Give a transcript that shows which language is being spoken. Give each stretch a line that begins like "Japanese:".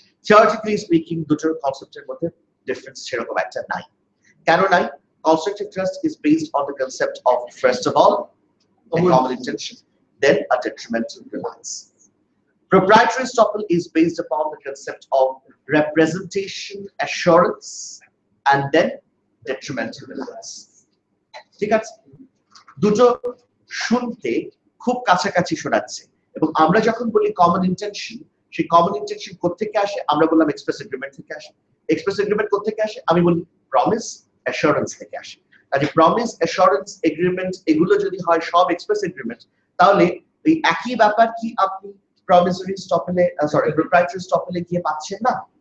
Bangla: Theoretically speaking দুটোর কনসেপ্টের মধ্যে difference সেরকম একটা নাই, কেন নাই?
English: Constructive trust is based on the concept of first of all common intention, then a detrimental reliance. Proprietary stopple is based upon the concept of representation, assurance, and then detrimental reliance.
Bangla: ঠিক আছে, দুটো শুনতে খুব কাছাকাছি শোনাচ্ছে, এবং আমরা যখন বলি কমন ইন্টেনশন, সেই কমন ইন্টেনশন কোথেকে আসে? আমরা বললাম এক্সপ্রেস এগ্রিমেন্ট থেকে আসে। এক্সপ্রেস এগ্রিমেন্ট কোথেকে আসে? আমি বলি প্রমিস অ্যাসিওরেন্স থেকে আসে। কাজে প্রমিস অ্যাসিওরেন্স এগ্রিমেন্ট এগুলো যদি হয় সব এক্সপ্রেস এগ্রিমেন্ট, তাহলে এই একই ব্যাপার কি আপনি প্রমিসরি স্টপলে সরি প্রোপ্রাইটারি স্টপলে গিয়ে পাচ্ছেন না?